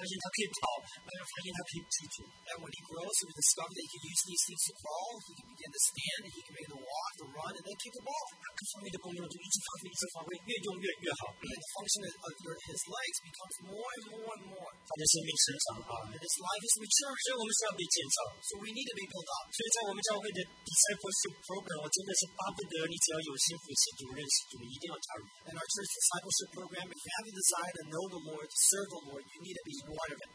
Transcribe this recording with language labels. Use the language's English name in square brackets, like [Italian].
[Chinese] 可是等到他长长长长到一半，他们会发现可以爬，慢慢发现他可以站，慢慢发现他可以跑，慢慢发现他可以自主。 [English] And when he grows, he will discover that he can use these things to crawl. He can begin to stand, and he can begin to walk, to run, and then kick the ball. [Chinese] 各方面的功用就一直发挥，越用越好。 [English] And the function of his legs becomes more and more and more. [Chinese] 他的生命成长啊， [English] and his life is mature. [Chinese] 所以我们需要被建造。 [English] So we need to be built up. [Chinese] 所以在我们教会的 discipleship program， 我真的是巴不得你只要有心服侍主、认识主，你一定要加入。 [English] And our church discipleship program, if you have the desire to know the Lord, to serve the Lord, you need to be one of it.